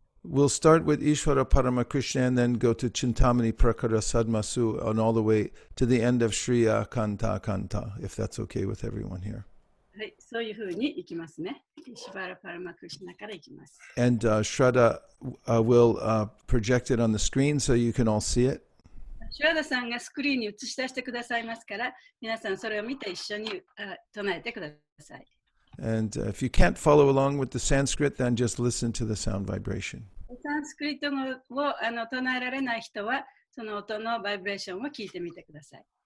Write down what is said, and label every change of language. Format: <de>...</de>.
<en>we'll start with Ishvara Paramakrishna and then go to Chintamani Prakara Sadmasu and all the way to the end of Sri Akanta Akanta, if that's okay with everyone here. And Shraddha will project it on the screen so you can all see it.</en> <ja>Shraddha さんがスクリーンに映し出してくださいますから、皆さんそれを見て一緒に唱えてください。</ja> <en>And if you can't follow along with the Sanskrit, then just listen to the sound vibration.</en> <ja>Sanskrit を唱えられない人は、その音のバイブレーションを聞いてみてください。</ja>